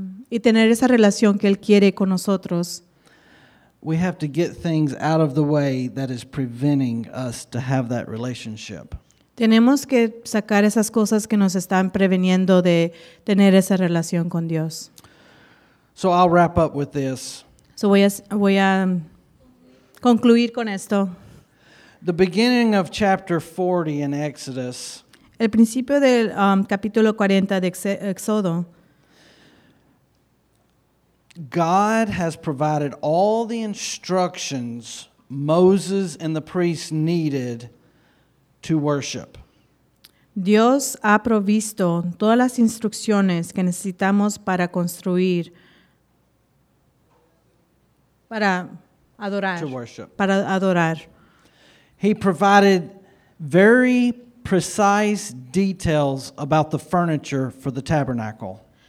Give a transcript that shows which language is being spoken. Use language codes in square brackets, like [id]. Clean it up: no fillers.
[es] y tener esa relación que Él quiere con nosotros, [en] we have to get things out of the way that is preventing us to have that relationship. [es] Tenemos que sacar esas cosas que nos están preveniendo de tener esa relación con Dios. [en] So I'll wrap up with this. [es] So voy a concluir con esto. [en] The beginning of chapter 40 in Exodus. [es] El principio del capítulo 40 de Éxodo. [en] God has provided all the instructions Moses and the priests needed to worship. [es] Dios ha provisto todas las instrucciones que necesitamos para construir, para adorar. [en] To worship. [es] Para adorar. [en] He provided very precise details about the furniture for the tabernacle.